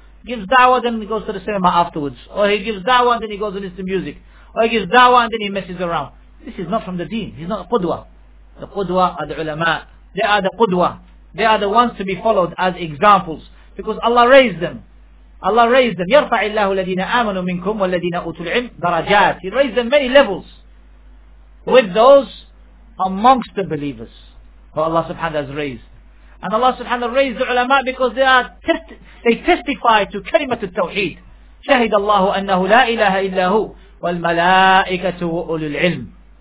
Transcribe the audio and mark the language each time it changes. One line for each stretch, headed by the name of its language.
English: Gives da'wah, then he goes to the cinema afterwards. Or he gives da'wah and then he goes and listens to music. Or he gives da'wah and then he messes around. This is not from the deen. He's not a qudwa. The qudwa are the ulama. They are the qudwa. They are the ones to be followed as examples. Because Allah raised them. Allah raised them.
Arabic: يَرْفَعِ اللَّهُ الَّذِينَ آمَنُوا مِنْكُمْ وَالَّذِينَ أُوتُوا الْعِلْمِ دَرَجَاتِ.
English: He raised them many levels. With those amongst the believers who Allah subhanahu has raised. And Allah subhanahu wa raised the ulama because they testify to kalimat al-tawheed.
Arabic: شَهِدَ اللَّهُ أَنَّهُ لَا إِلَهَ إِلَّا هُوَ وَالْمَلَائِكَةُ وَأُولُو الْعِلْمِ.